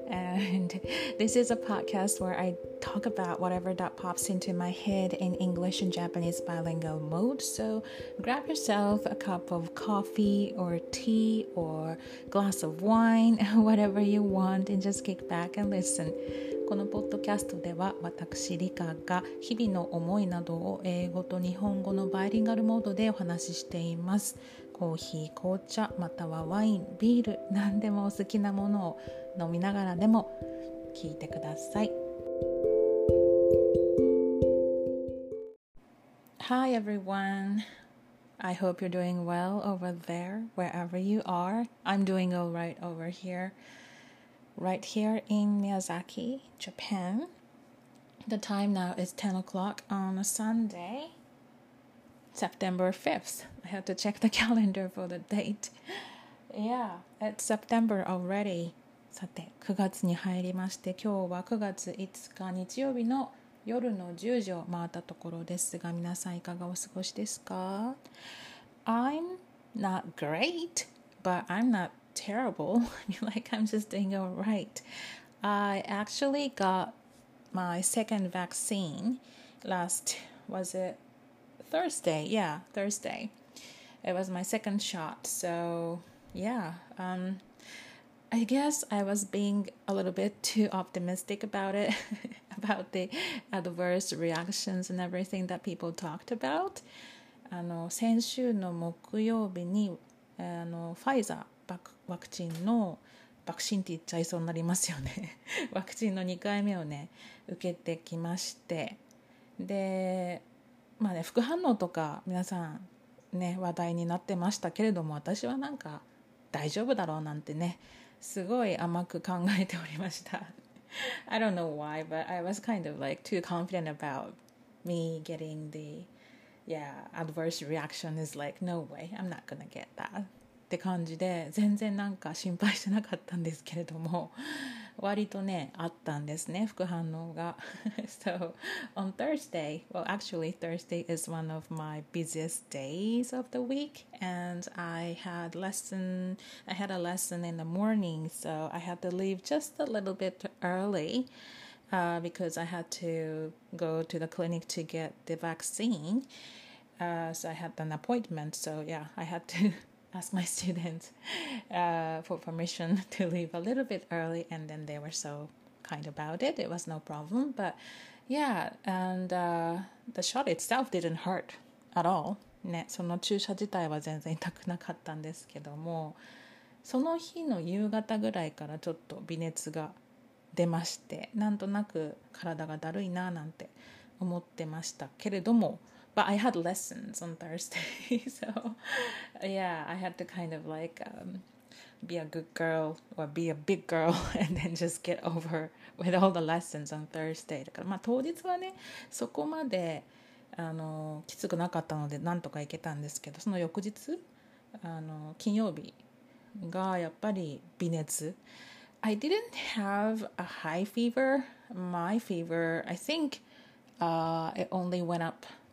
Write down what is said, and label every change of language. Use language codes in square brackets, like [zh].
[en] And this is a podcast where I talk about whatever that pops into my head in English and Japanese bilingual mode. So grab yourself a cup of coffee or tea or glass of wine, whatever you want, and just kick back and listen. [ja] このポッドキャストでは私リカが日々の思いなどを英語と日本語のバイリンガルモードでお話ししています。コーヒー、紅茶、またはワイン、ビール、何でもお好きなものを飲みながらでも聞いてください。 [en] Hi everyone, I hope you're doing well over there wherever you are. I'm doing all right over hereRight here in Miyazaki, Japan. The time now is 10 o'clock on a Sunday, September 5th. I had to check the calendar for the date. Yeah, it's September already. [ja] さて、9月に入りまして、今日は9月5日日曜日の夜の10時を回ったところですが、皆さんいかがお過ごしですか? [en] I'm not great, but I'm notterrible. Like, I'm just doing all right. I actually got my second vaccine Thursday? Yeah, Thursday. It was my second shot. So, yeah. I guess I was being a little bit too optimistic about it, about the adverse reactions and everything that people talked about. [ja] 先週の木曜日に、ファイザーワクチンのバクシンって言っちゃいそうになりますよねワクチンの2回目をね受けてきまして、でまあね、副反応とか皆さんね話題になってましたけれども、私はなんか大丈夫だろうなんてね、すごい甘く考えておりました [en] I don't know why, but I was kind of like too confident about me getting the adverse reaction. Is like, no way, I'm not gonna get that [ja] って感じで、全然なんか心配してなかったんですけれども、割とねあったんですね、副反応が [en] So on Thursday, well actually Thursday is one of my busiest days of the week, and I had a lesson in the morning, so I had to leave just a little bit earlyBecause I had to go to the clinic to get the vaccine, so I had an appointment, so I had toask my students for permission to leave a little bit early, and then they were so kind about it. It was no problem, but the shot itself didn't hurt at all. [ja] ね、その注射自体は全然痛くなかったんですけども、その日の夕方ぐらいからちょっと微熱が出まして、なんとなく体がだるいななんて思ってましたけれども、 [en] But I had lessons on Thursday, so I had to kind of like be a good girl or be a big girl and then just get over with all the lessons on Thursday. [ja] だからまあ当日はね、そこまできつくなかったのでなんとか行けたんですけど、その翌日、金曜日がやっぱり微熱。 [en] I didn't have a high fever. My fever, I think, it only went up.